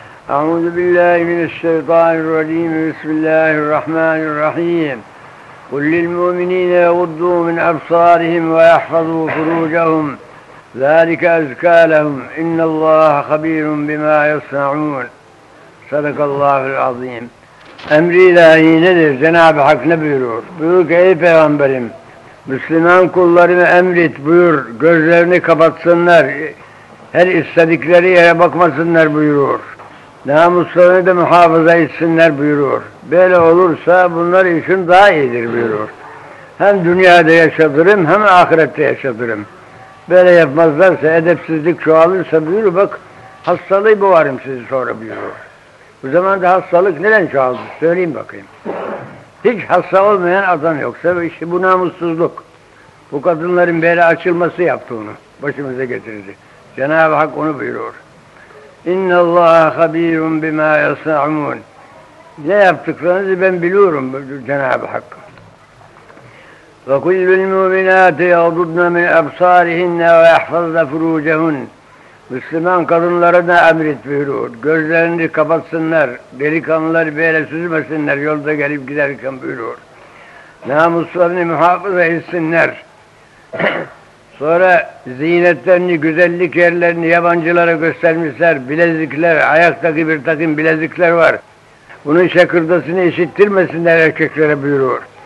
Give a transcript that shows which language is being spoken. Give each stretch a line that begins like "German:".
Arabic: أعوذ بالله من الشيطان الرجيم، بسم الله الرحمن الرحيم. قل للمؤمنين يغضوا من أبصارهم ويحفظوا فروجهم، ذلك أزكى لهم، إن الله خبير بما يصنعون. صدق الله العظيم.
Turkish: Emri ilahi nedir? Cenab-ı Hak ne buyuruyor? Buyur ki ey peygamberim, Müslüman kullarını emrit, buyur, gözlerini kapatsınlar, her istedikleri yere bakmasınlar buyuruyor. Namuslarını da muhafaza etsinler buyuruyor. Böyle olursa bunlar için daha iyidir buyuruyor. Hem dünyada yaşatırım, hem ahirette yaşatırım. Böyle yapmazlarsa, edepsizlik çoğalırsa buyur bak, hastalığı boğarım sizi sonra buyuruyor. Bu zamanda hastalık neden çoğaldı? Söyleyeyim bakayım. Hiç hasta olmayan adam yoksa işte bu namussuzluk. Bu kadınların böyle açılması yaptığını başımıza getirdi. Cenab-ı Hak onu buyuruyor.
Arabic: اِنَّ اللّٰهَ خَب۪يرٌ بِمَا يَصْنَعُمُونَ
Turkish: Ne yaptıklarınızı ben biliyorum Cenab-ı Hak.
Arabic: وَكُلُّ الْمُؤْمِنَاتِ يَغْضُضْنَ مِنْ اَبْصَارِهِنَّ وَيَحْفَظْنَ فُرُوجَهُنَّ
Turkish: Müslüman kadınlara da emret buyuruyor. Gözlerini kapatsınlar, delikanlıları böyle süzmesinler, yolda gelip giderken buyuruyor. Namuslarını muhafaza etsinler. Sonra ziynetlerini, güzellik yerlerini yabancılara göstermişler. Bilezikler, ayaktaki bir takım bilezikler var. Bunun şakırdasını işittirmesinler erkeklere buyuruyor.